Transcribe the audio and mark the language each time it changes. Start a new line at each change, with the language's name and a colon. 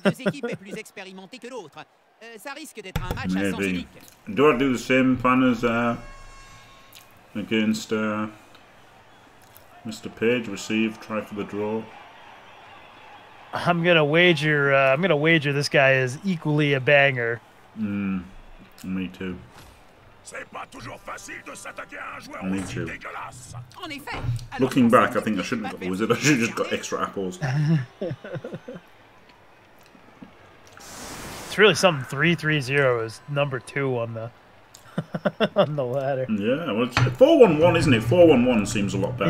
English: Do I do the same plan as against Mr. Page? Receive, try for the draw. I'm gonna wager this guy is equally a banger. Me too.
French: C'est pas toujours facile de s'attaquer à un joueur aussi dégueulasse. En effet,
English: looking back, I think I shouldn't have got Wizard. I should have just got extra apples. It's really something. 3-3-0 is number 2 on the on the ladder. Yeah, well, it's 4-1-1, isn't it? 4-1-1 seems a lot better.